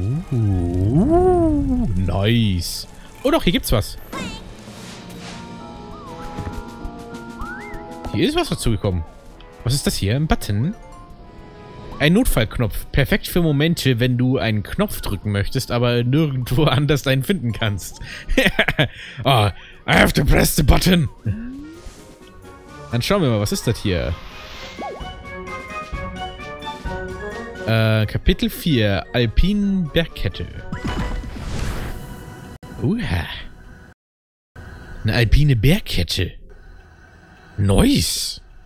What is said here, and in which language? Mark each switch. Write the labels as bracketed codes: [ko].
[de] Nice. Oh doch, hier gibt's was. Hier ist was dazugekommen. Was ist das hier? Ein Button? Ein Notfallknopf. Perfekt für Momente, wenn du einen Knopf drücken möchtest, aber nirgendwo anders einen finden kannst. [en] Oh, I have to press the button. [de] Dann schauen wir mal, was ist das hier? Kapitel 4, Alpine Bergkette. Eine alpine Bergkette. Nice.